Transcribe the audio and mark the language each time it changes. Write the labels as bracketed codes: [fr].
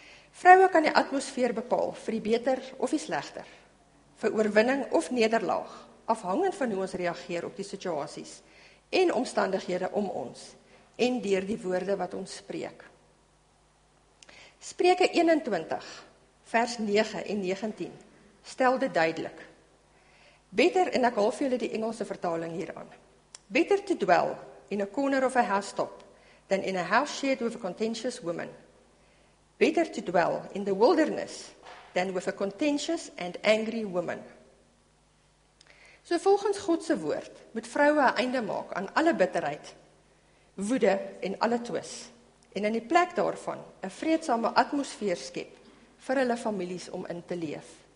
[af] Vroue kan die atmosfeer bepaal vir die beter of die slegter, vir oorwinning of nederlaag, afhangend van hoe ons reageer op die situasies en omstandighede om ons en deur die woorde wat ons spreek. Spreuke 21 vers 9 en 19 stel dit duidelik. Better, en ek haal vir julle die Engelse vertaling hieraan. [en] Better to dwell in a corner of a housetop than in a house shared with a contentious woman. Better to dwell in the wilderness than with a contentious and angry woman. [af] So volgens God se woord moet vroue 'n einde maak aan alle bitterheid, woede en alle twis en in die plek daarvan 'n vredesame atmosfeer skep vir hulle families om in te leef.